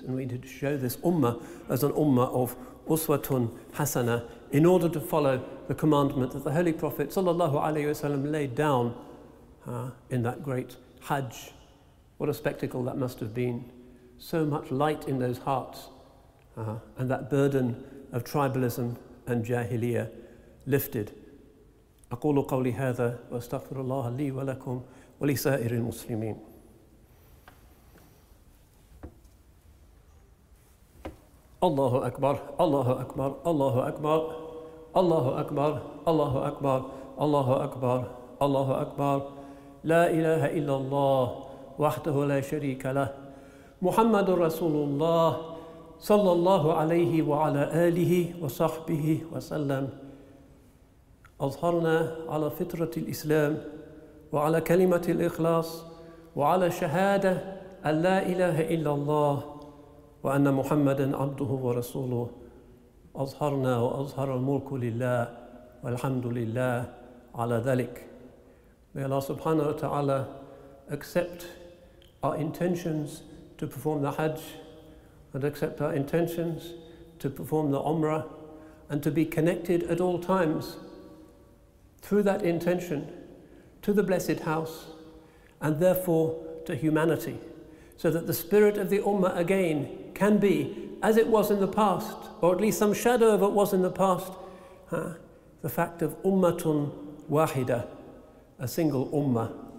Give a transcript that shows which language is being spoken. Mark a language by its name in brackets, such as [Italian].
[English] And we need to show this ummah as an ummah of uswatun hasana in order to follow the commandment that the Holy Prophet sallallahu alaihi wasallam laid down in that great hajj. What a spectacle that must have been. So much light in those hearts. And that burden of tribalism and jahiliya lifted. [Arabic] أقول قولي هذا وأستغفر الله لي ولكم ولسائر المسلمين. الله أكبر الله أكبر الله أكبر الله أكبر الله أكبر الله أكبر الله أكبر لا إله إلا الله وحده لا شريك له محمد رسول الله صلى الله عليه وعلى آله وصحبه وسلم أظهرنا على فطرة الإسلام وعلى كلمة الإخلاص وعلى شهادة أن لا إله إلا الله وأن محمدًا عبده ورسوله أظهرنا وأظهر الملك لله والحمد لله على ذلك. [English] May Allah subhanahu wa ta'ala accept our intentions to perform the Hajj and accept our intentions to perform the Umrah and to be connected at all times through that intention to the Blessed House and therefore to humanity, so that the spirit of the Ummah again can be as it was in the past, or at least some shadow of it was in the past, the fact of Ummatun Wahida, a single Ummah.